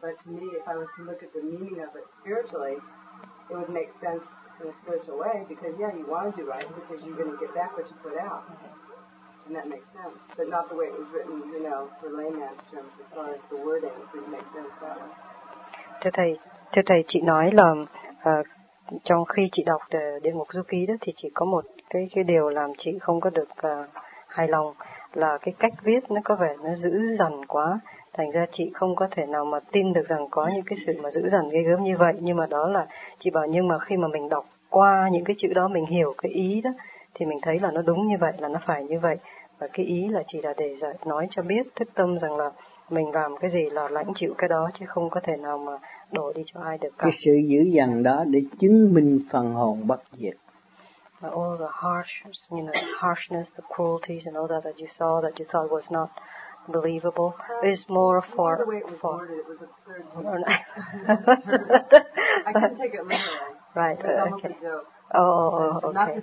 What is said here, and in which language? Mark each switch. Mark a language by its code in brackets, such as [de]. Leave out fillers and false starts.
[en] But to me, if I was to look at the meaning of it spiritually, it would make sense. In a spiritual way, because yeah, you want to do right because you're going to get back what you put out, and that makes sense. But not the way it was written, you know, for layman's terms as far as the wording, it didn't make sense that way. [vi] Thưa thầy, chị nói là trong khi chị đọc Địa Ngục Du Ký đó, thì chỉ có một cái điều làm chị không có được hài lòng là cái cách viết nó có vẻ nó dữ dằn quá. Thành ra chị không có thể nào mà tin được rằng có những cái sự mà dữ dằn ghê gớm như vậy. Nhưng mà đó là chị bảo, nhưng mà khi mà mình đọc qua những cái chữ đó, mình hiểu cái ý đó, thì mình thấy là nó đúng như vậy, là nó phải như vậy. Và cái ý là chị đã để nói cho biết thức tâm rằng là mình làm cái gì là lãnh chịu cái đó, chứ không có thể nào mà đổ đi cho ai được cả. Cái sự dữ dằn đó để chứng minh phần hồn bất diệt. [en] All the harshness, you know, harshness, the cruelties and all that you saw, that you thought was not believable, is more for the way it was for worded, it was absurd. No. I couldn't take it literally. Right. It was almost okay. A joke. Oh, okay.